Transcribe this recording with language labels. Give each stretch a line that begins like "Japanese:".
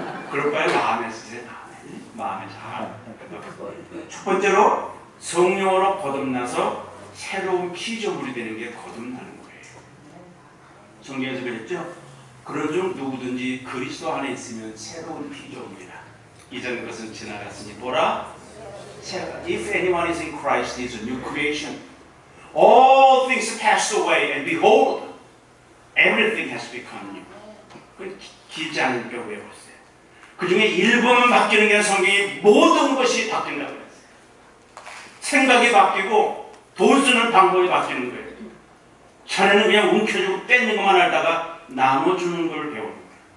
Korean: 그럴 바에 마음에 쓰세요. 마음에 잘. 첫 번째로 성령으로 거듭나서 새로운 피조물이 되는 게 거듭나는 거예요. 성경에서 그랬죠? 그런 중 누구든지 그리스도 안에 있으면 새로운 피조물이라. 이전 것은 지나갔으니 보라.
English: If anyone is in Christ, he is a new creation. All things passed away, and behold, everything has become new.
Korean: 그 길지 않은 경우에 외웠어요. 그 중에 일부만 바뀌는 게 성경이 모든 것이 바뀐다고 그랬어요. 생각이 바뀌고 돈 쓰는 방법이 바뀌는 거예요. 전에는 그냥 움켜쥐고 뺏는 것만 알다가 나눠주는 걸 배우는 거예요.